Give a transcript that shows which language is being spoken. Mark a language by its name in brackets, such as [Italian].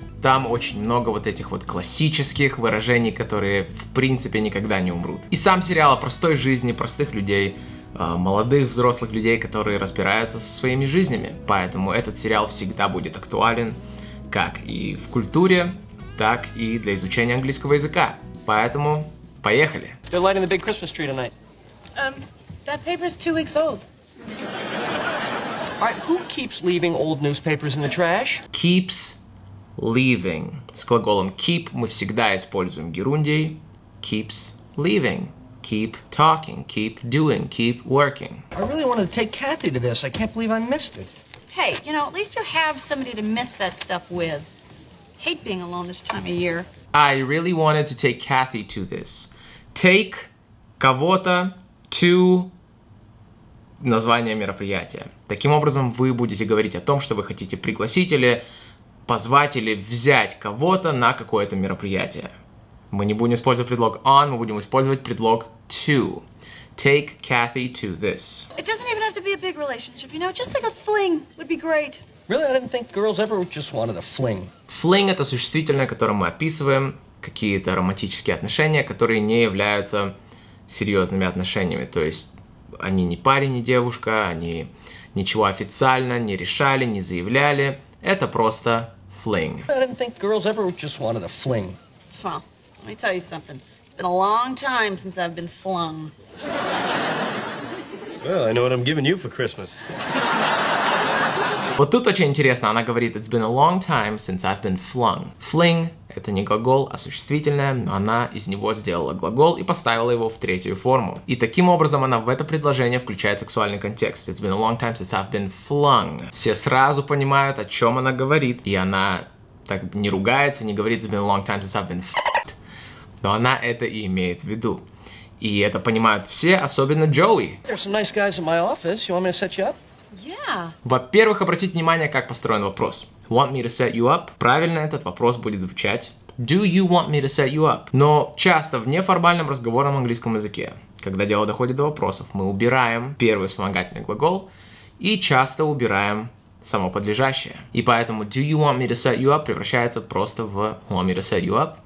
[Russian] Там очень много вот этих вот классических выражений, которые в принципе никогда не умрут. И сам сериал о простой жизни простых людей, молодых, взрослых людей, которые разбираются со своими жизнями. Поэтому этот сериал всегда будет актуален как и в культуре, так и для изучения английского языка. Поэтому поехали! [English] They're lighting the big Christmas tree tonight. That paper's 2 weeks old. All right, who keeps leaving old newspapers in the trash? Keeps leaving. [Russian] С глаголом keep мы всегда используем герундий. [English] Keeps leaving. Keep talking. Keep doing. Keep working. I really wanted to take Kathy to this. I can't believe I missed it. Hey, you know, at least you have somebody to miss that stuff with. Hate being alone this time of year. I really wanted to take Kathy to this. [Russian] Take кого-то to название мероприятия. Таким образом, вы будете говорить о том, что вы хотите пригласить или позвать или взять кого-то на какое-то мероприятие. Мы не будем использовать предлог on, мы будем использовать предлог to. [English] Take Kathy to this. It doesn't even have to be a big relationship, you know, just like a fling would be great. Really, I didn't think girls ever just wanted a fling. [Russian] Fling — это существительное, которое мы описываем, какие-то романтические отношения, которые не являются серьезными отношениями. То есть они не парень, не девушка, они ничего официально не решали, не заявляли. Это просто fling. [English] I didn't think girls ever just wanted a fling. Well, let me tell you something. It's been a long time since I've been flung. Well, I know what I'm giving you for Christmas. [Russian] Вот тут очень интересно, она говорит [English] it's been a long time since I've been flung. [Russian] Fling — это не глагол, а существительное, но она из него сделала глагол и поставила его в третью форму. И таким образом она в это предложение включает сексуальный контекст. [English] It's been a long time since I've been flung. [Russian] Все сразу понимают, о чем она говорит, и она так не ругается, не говорит [English] it's been a long time since I've been f***ed. [Russian] Но она это и имеет в виду. И это понимают все, особенно Джоуи. [English] There's some nice guys in my office. You want me to set you up? Yeah. [Russian] Во-первых, обратите внимание, как построен вопрос. [English] Want me to set you up? [Russian] Правильно этот вопрос будет звучать. [English] Do you want me to set you up? [Russian] Но часто в неформальном разговорном английском языке, когда дело доходит до вопросов, мы убираем первый вспомогательный глагол и часто убираем само подлежащее. И поэтому [English] do you want me to set you up [Russian] превращается просто в [English] want me to set you up.